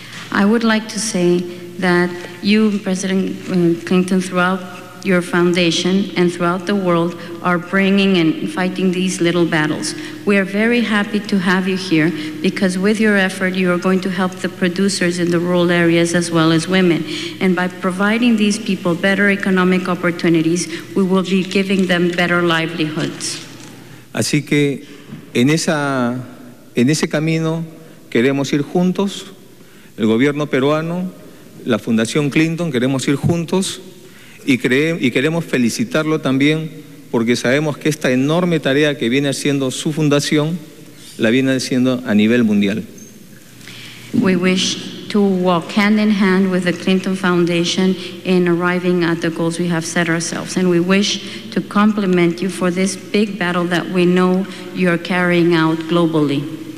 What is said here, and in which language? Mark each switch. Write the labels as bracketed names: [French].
[English] I would like to say that you, President Clinton, throughout your foundation and throughout the world are bringing and fighting these little battles. We are very happy to have you here because with your effort you are going to help the producers in the rural areas as well as women. And by providing these people better economic opportunities, we will be giving them better livelihoods. [Spanish] Así que en ese camino queremos ir juntos, el gobierno peruano, la Fundación Clinton, queremos ir juntos. Y queremos felicitarlo también porque sabemos que esta enorme tarea que viene haciendo su fundación la viene haciendo a nivel mundial. [English] We wish to walk hand in hand with the Clinton Foundation in arriving at the goals we have set ourselves, and we wish to compliment you for this big battle that we know you're carrying out globally.